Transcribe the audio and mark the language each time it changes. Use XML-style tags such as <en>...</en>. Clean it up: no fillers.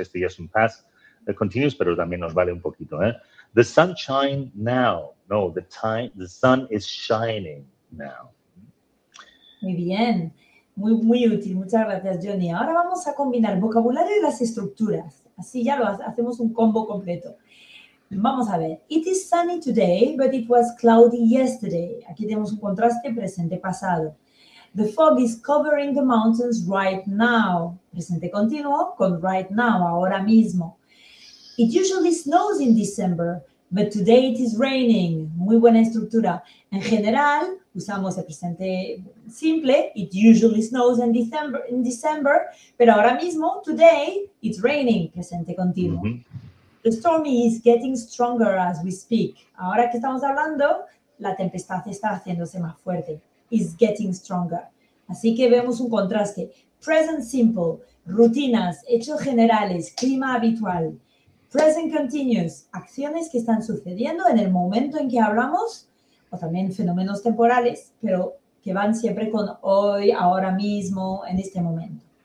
<es>Este ya es un past continuous, pero también nos vale un poquito.</es> <en>The sunshine now. No, the sun is shining now.</en> <es>Muy bien. Muy, muy útil. Muchas gracias, Johnny. Ahora vamos a combinar vocabulario y las estructuras. Así ya lo hacemos un combo completo. Vamos a ver.</es> <en>It is sunny today, but it was cloudy yesterday.</en> <es>Aquí tenemos un contraste presente-pasado.</es> <en>The fog is covering the mountains right now.</en> <es>Presente continuo con</es> <en>right now,</en> <es>ahora mismo.</es> <en>It usually snows in December, but today it is raining.</en> <es>Muy buena estructura. En general, usamos el presente simple,</es> <en>it usually snows in December,</en> <es>pero ahora mismo, today,</es> <en>it's raining,</en> <es>presente continuo. Mm-hmm.</es> <en>The storm is getting stronger as we speak.</en> <es>Ahora que estamos hablando, la tempestad está haciéndose más fuerte.</es> <en>It's getting stronger.</en> <es>Así que vemos un contraste. Present simple, rutinas, hechos generales, clima habitual. Present continuous, acciones que están sucediendo en el momento en que hablamos, o también fenómenos temporales, pero que van siempre con hoy, ahora mismo, en este momento.</es>